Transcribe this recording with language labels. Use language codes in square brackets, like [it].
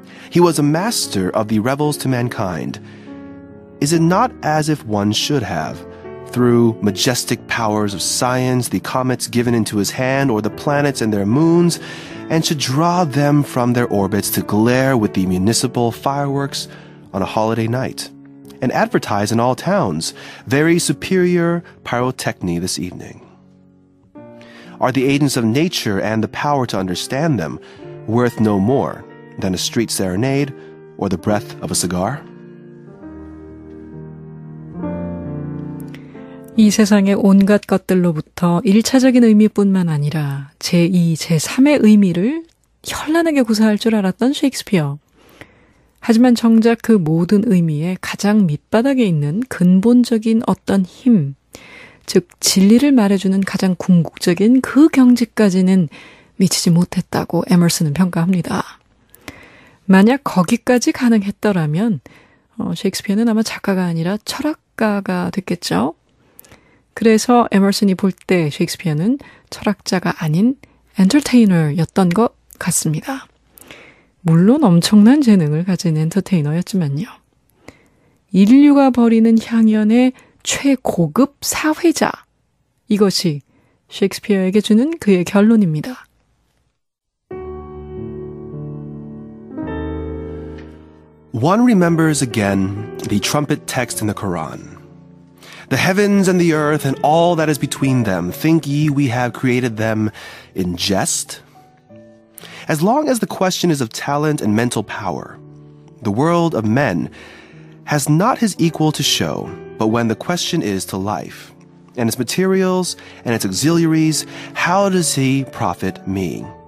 [en] He was a master of the revels to mankind. Is it not as if one should have, through majestic powers of science, the comets given into his hand or the planets and their moons, and should draw them from their orbits to glare with the municipal fireworks on a holiday night, and advertise in all towns, very superior pyrotechny this evening? Are the agents of nature and the power to understand them worth no more than a street serenade or the breath of a cigar? [ko] 이 세상의 온갖 것들로부터 1차적인 의미뿐만 아니라 제2, 제3의 의미를 현란하게 구사할 줄 알았던 셰익스피어. 하지만 정작 그 모든 의미의 가장 밑바닥에 있는 근본적인 어떤 힘, 즉 진리를 말해주는 가장 궁극적인 그 경지까지는 미치지 못했다고 에머슨은 평가합니다. 만약 거기까지 가능했더라면 셰익스피어는 아마 작가가 아니라 철학가가 됐겠죠. 그래서 에머슨이 볼 때 셰익스피어는 철학자가 아닌 엔터테이너였던 것 같습니다. 물론 엄청난 재능을 가진 엔터테이너였지만요. 인류가 벌이는 향연의 최고급 사회자, 이것이 셰익스피어에게 주는 그의 결론입니다. [en] One remembers again the trumpet text in the Quran. The heavens and the earth and all that is between them, think ye we have created them in jest? As long as the question is of talent and mental power, the world of men has not his equal to show, but when the question is to life, and its materials and its auxiliaries, how does he profit me?